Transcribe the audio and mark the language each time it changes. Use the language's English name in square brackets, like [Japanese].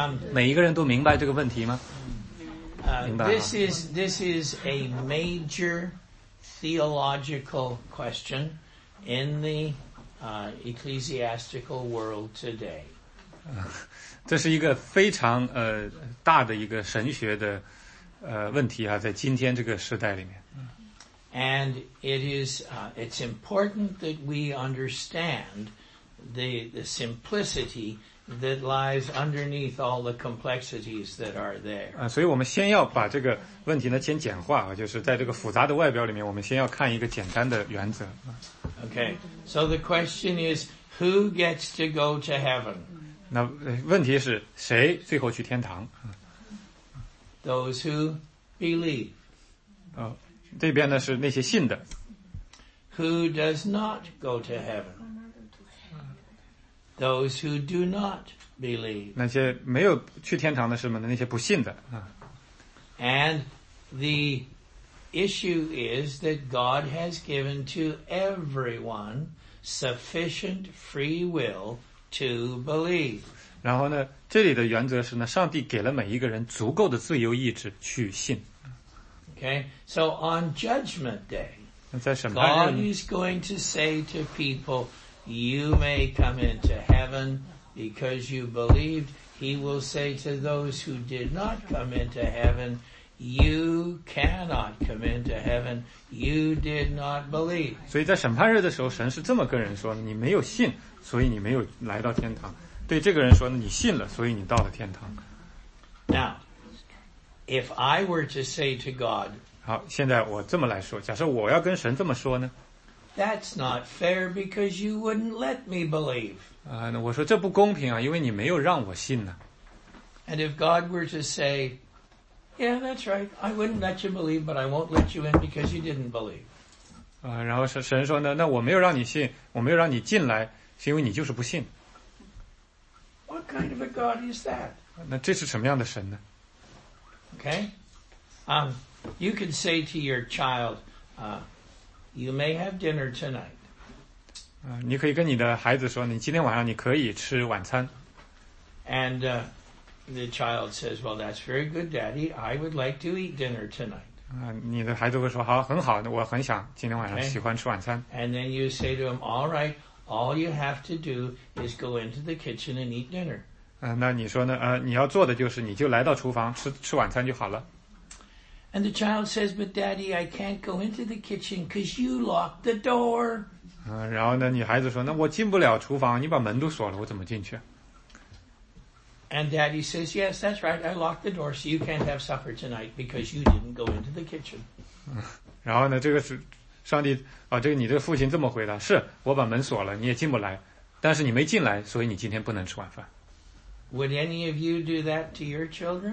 [Chinese] 每一个人都明白这个问题吗？ [English] This is a major theological question in the ecclesiastical world today. [Chinese] 这是一个非常大的一个神学的问题啊，在今天这个时代里面。 [English] And it is it's important that we understand the simplicity. That lies underneath all the complexities that are there. [Chinese] 所以我们先要把这个问题呢先简化，就是在这个复杂的外表里面，我们先要看一个简单的原则。 [English] Okay, so the question is, who gets to go to heaven? [Chinese] 那问题是谁最后去天堂 [English] ？Those who believe. [Chinese] 这边呢是那些信的。 [English] Who does not go to heaven? Those who do not believe. [Chinese] 那些没有去天堂的是什么呢？那些不信的啊。 [English] And the issue is that God has given to everyone sufficient free will to believe. [Chinese] 然后呢，这里的原则是呢，上帝给了每一个人足够的自由意志去信。 [English] Okay, so on Judgment Day, [Chinese] 那在审判日 [English] 呢？ God is going to say to people. You may come into heaven because you believed. He will say to those who did not come into heaven, you cannot come into heaven. You did not believe. [Chinese] 所以在审判日的时候，神是这么跟人说：你没有信，所以你没有来到天堂。对这个人说：你信了，所以你到了天堂。 [English] Now, if I were to say to God, [Chinese] 好，现在我这么来说，假设我要跟神这么说呢？ [English] That's not fair because you wouldn't let me believe. [Chinese] 那我说这不公平啊，因为你没有让我信呢。 [English] And if God were to say, "Yeah, that's right. I wouldn't let you believe, but I won't let you in because you didn't believe." [Chinese] 然后神说呢，那我没有让你信，我没有让你进来，是因为你就是不信。 [English] What kind of a God is that? [Chinese] 那这是什么样的神呢 [English] ？Okay, you can say to your child, You may have dinner tonight. [Chinese] 你可以跟你的孩子说，你今天晚上你可以吃晚餐。 [English] And the child says, well, that's very good, Daddy. I would like to eat dinner tonight. [Chinese] 你的孩子会说好很好我很想今天晚上喜欢吃晚餐。 [English] And then you say to him, all right, all you have to do is go into the kitchen and eat dinner. [Chinese] 那你说呢你要做的就是你就来到厨房吃晚餐就好了。 [English] And the child says, but Daddy, I can't go into the kitchen because you locked the door. [Chinese] 然后呢女孩子说那我进不了厨房你把门都锁了我怎么进去 [English] And Daddy says, yes, that's right, I locked the door, so you can't have supper tonight because you didn't go into the kitchen. [Chinese] 然后呢这个是上帝啊这个你的父亲这么回答是我把门锁了你也进不来但是你没进来所以你今天不能吃晚饭。 [English] Would any of you do that to your children?